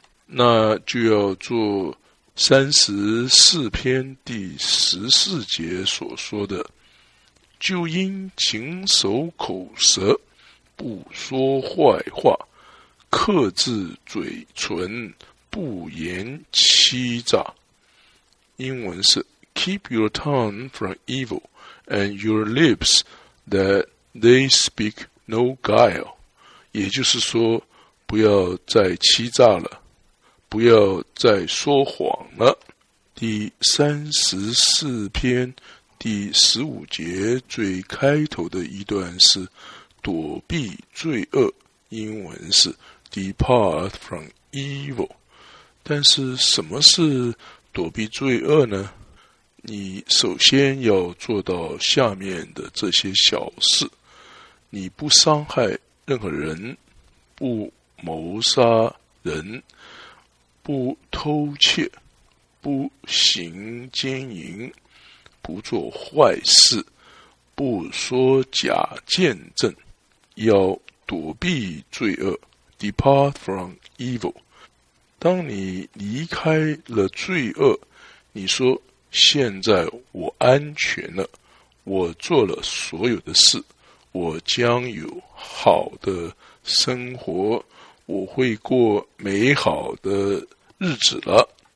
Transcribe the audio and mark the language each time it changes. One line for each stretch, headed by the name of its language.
Chinese: 那就要做34篇第14节所说的，就应谨守口舌，不说坏话，克制嘴唇，不言欺诈。英文是
English: Keep your tongue from evil and your lips that they speak no guile，
Chinese: 也就是说，不要再欺诈了，不要再说谎了。第34篇第15节最开头的一段是躲避罪恶，英文是
English: depart from evil。
Chinese: 但是什么是躲避罪恶呢？你首先要做到下面的这些小事：你不伤害任何人，不谋杀人，不偷窃，不行奸淫，不做坏事，不说假见证。要躲避罪恶 ，
English: depart from evil。
Chinese: 当你离开了罪恶，你说，现在我安全了，我做了所有的事，我将有好的生活，我会过美好的日子了。